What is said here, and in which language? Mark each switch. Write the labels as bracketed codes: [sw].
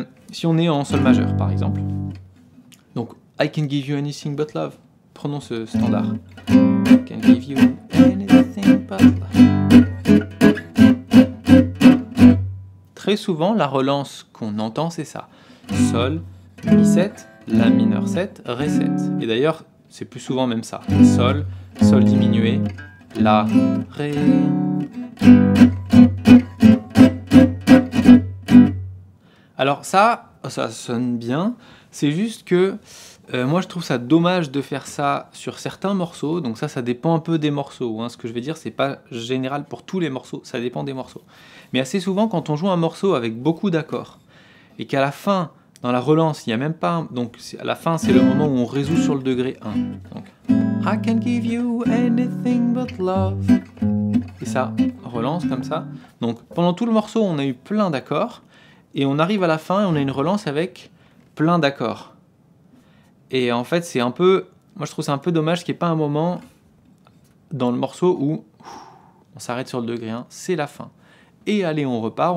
[fr] Si on est en sol majeur par exemple, donc [en] I can give you anything but love, [fr] prenons ce standard. [en] I can give you anything but love. [fr] Très souvent, la relance qu'on entend c'est ça: sol, mi 7, la mineur 7, ré 7. Et d'ailleurs, c'est plus souvent même ça. Sol, sol diminué, la, ré. Alors ça sonne bien. C'est juste que moi, je trouve ça dommage de faire ça sur certains morceaux. Donc ça dépend un peu des morceaux. Hein. Ce que je vais dire, c'est pas général pour tous les morceaux. Ça dépend des morceaux. Mais assez souvent, quand on joue un morceau avec beaucoup d'accords et qu'à la fin, dans la relance, il n'y a même pas... Donc, à la fin, c'est le moment où on résout sur le degré 1. Donc, [en] I can give you anything but love. [fr] Et ça, relance comme ça. Donc, pendant tout le morceau, on a eu plein d'accords. Et on arrive à la fin et on a une relance avec plein d'accords. Et en fait, c'est un peu... Moi, je trouve c'est un peu dommage qu'il n'y ait pas un moment dans le morceau où on s'arrête sur le degré 1. C'est la fin. Et allez, on repart.